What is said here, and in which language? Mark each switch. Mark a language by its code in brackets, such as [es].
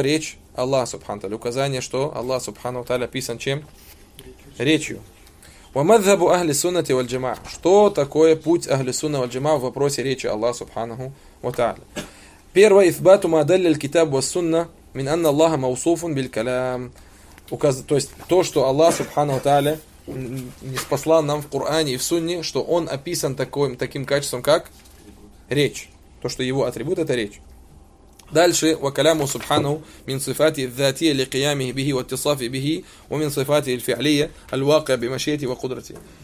[ru] Речь Аллаха Субханаху Та'аля. Указание, что Аллах Субханаху Та'аля описан чем? Речью. [ar] وَمَذْهَبُ أَهْلِ السُنَّةِ وَالْجَمَعَةِ. [ru] Что такое путь Ахли Сунна вальджамаа в вопросе речи Аллаха Субханаху ва Тааля? Первое, [ar] إِثْبَاتُ مَا دَلَّ الْكِتَابُ وَالسُنَّةُ مِنْ أَنَّ اللَّهَ مَوْصُوفٌ بِالْكَلَامِ. [ru] То есть то, что Аллах Субханаху ва Тааля ниспослал нам в Коране и в Сунне, что он описан таким, таким качеством, как речь. То, что его атрибут, это речь. Дальше, [ar] وَكَلَامُ سُبْحَانَهُ مِنْ صِفَاتِ الذَّاتِيَ لِقِيَامِهِ بِهِ وَاتِّصَافِ بِهِ وَمِنْ صِفَاتِ الْفِعْلِيَ الْوَاقِعَ بِمَشِيَتِ وَقُدْرَتِ.